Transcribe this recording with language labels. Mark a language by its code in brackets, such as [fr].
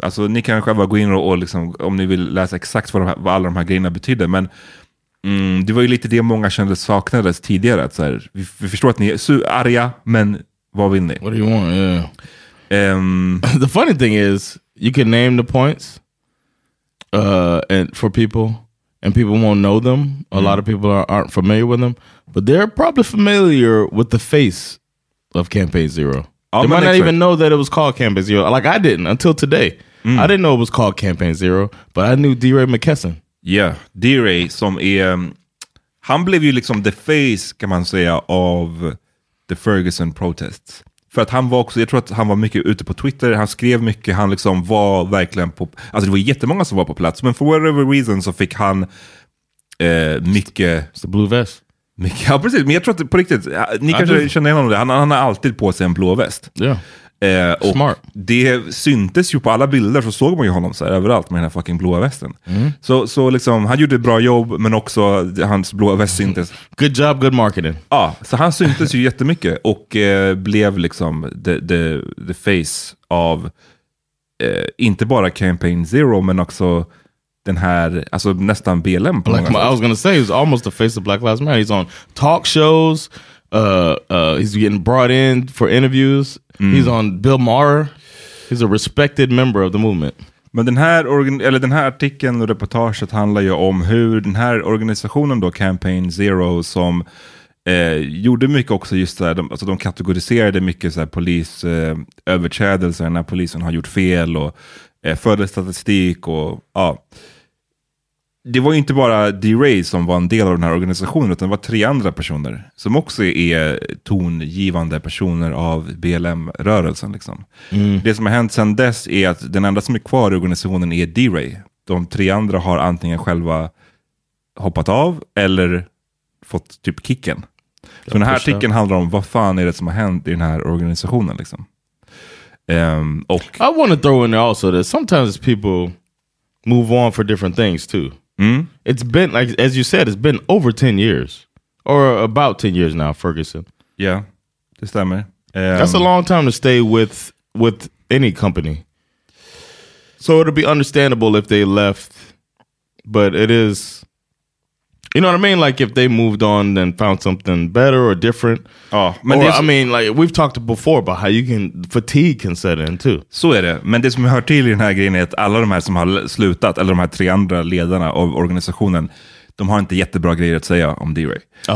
[sv] Alltså ni kan själva gå in och liksom, om ni vill läsa exakt vad alla de här grejerna betyder, men det var ju lite det många kände saknades tidigare. Att så här, vi förstår att ni är arga, men vad vill ni? [en] What do you want? Yeah. The funny thing is, you can name the points and for people, and people won't know them. A lot of people aren't familiar with them, but they're probably familiar with the face of Campaign Zero. They might not even know that it was called Campaign Zero. Like I didn't until today. I didn't know it was called Campaign Zero, but I knew D-Ray McKesson. [sv] Yeah, D-Ray, som är, han blev ju liksom [en] the face, [sv] kan man säga, av [en] the Ferguson protests. [sv] För att han var också, jag tror att han var mycket ute på Twitter, han skrev mycket, han liksom var verkligen på, alltså det var jättemånga som var på plats, men [en] for whatever reason [sv] så fick han mycket... [en] It's the blue vest. [sv] Mycket, ja, precis, men jag tror att på riktigt, ni I kanske do. Känner igen honom det, han har alltid på sig en blå väst. Ja. [en] Yeah. [sv] Och smart. Det syntes ju på alla bilder, så såg man ju honom så här överallt med den här fucking blåa västen. Mm. Så liksom, han gjorde ett bra jobb, men också hans blåa väst syntes. [en] Good job, good marketing. [sv] Ja, så han syntes ju jättemycket och blev liksom [en] the face [sv] av inte bara Campaign Zero, men också den här, alltså nästan BLM på många sätt. [en] I was gonna say, he's almost the face of Black Lives Matter. He's on talk shows, he's getting brought in for interviews. Mm. He's on Bill Maher. He's a respected member of the movement. [sv] Men den här den här artikeln och reportaget handlar ju om hur den här organisationen då, Campaign Zero, som gjorde mycket också just där, alltså de kategoriserade mycket så här polisöverträdelser när polisen har gjort fel och förde statistik och ja. Det var ju inte bara D-Ray som var en del av den här organisationen, utan det var tre andra personer som också är tongivande personer av BLM-rörelsen. Liksom. Mm. Det som har hänt sedan dess är att den enda som är kvar i organisationen är D-Ray. De tre andra har antingen själva hoppat av eller fått typ kicken. Så den här artikeln handlar om vad fan är det som har hänt i den här organisationen. Liksom. Och [en] I want to throw in there also that sometimes people move on for different things too. Mm. It's been, like as you said, it's been over 10 years or about 10 years now, Ferguson. Yeah, [sv] det stämmer. [en] That's a long time to stay with any company. So it'll be understandable if they left, but it is, you know what I mean? Like if they moved on and found something better or different. Oh, [sv] men [en] or, I mean, like we've talked before about how you can, fatigue can set in too. [sv] Så är det. Men det som jag hör till i den här grejen är att alla de här som har slutat, eller de här tre andra ledarna av organisationen, de har inte jättebra grejer att säga om D-Ray.